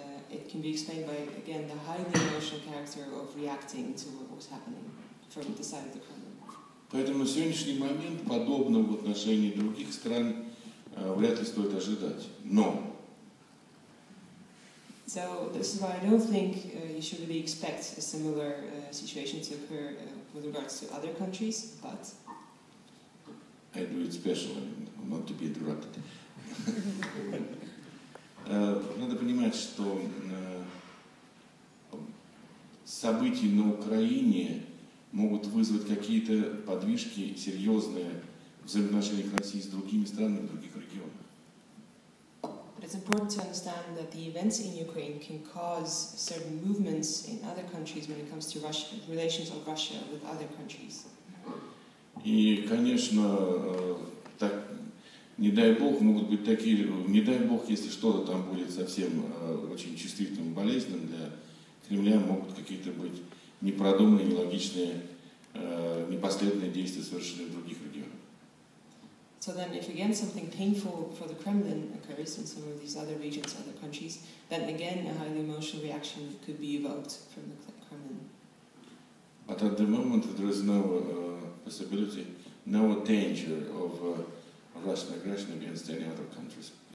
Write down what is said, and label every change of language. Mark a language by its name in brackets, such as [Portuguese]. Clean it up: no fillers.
[English] It can be explained by, again, the highly emotional character of reacting to what was happening from the side of the Kremlin. [Russian] Поэтому в сегодняшний момент подобного в отношении других стран вряд ли стоит ожидать. Но... [English] So this is why I don't think you should really expect a similar situation to occur with regards to other countries, but... I do it specially, not to be interrupted. [Russian] Надо понимать, что события на Украине могут вызвать какие-то подвижки серьезные в взаимоотношениях России с другими странами в других регионах. [English] It's important to understand that the events in Ukraine can cause certain movements in other countries when it comes to Russia, relations of Russia with other countries. [Russian] И, конечно, так, не дай бог, могут быть такие, не дай бог, если что-то там будет совсем очень чувствительным, болезненным для Кремля, могут какие-то быть непродуманные, нелогичные, непоследственные действия совершены в других регионах. [English] So then if again something painful for the Kremlin occurs in some of these other regions, other countries, then again a highly emotional reaction could be evoked from the Kremlin. But at the moment there is no possibility, no danger of Russian aggression against any other countries.